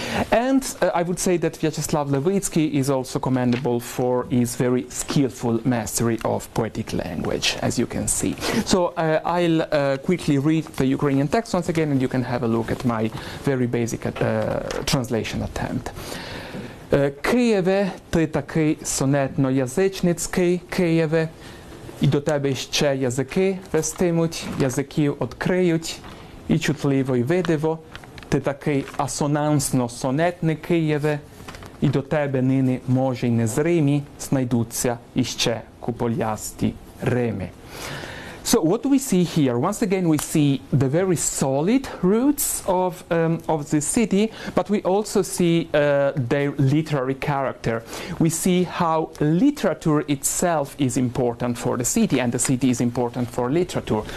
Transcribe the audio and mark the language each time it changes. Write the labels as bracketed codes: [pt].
[en] And I would say that Vyacheslav Levitsky is also commendable for his very skillful mastery of poetic language, as you can see. So I'll quickly read the Ukrainian text once again, and you can have a look at my very basic translation attempt. [uk] Києве, ти такий сонетно-язичницький, Києве, і до тебе ще язики вестимуть, язиків одкриють, і чутливо, і видиво, ти такий асонансно-сонетний, Києве, і до тебе нині, може, й незримі, знайдуться іще куполясті рими. [en] So what do we see here? Once again, we see the very solid roots of the city, but we also see their literary character. We see how literature itself is important for the city, and the city is important for literature.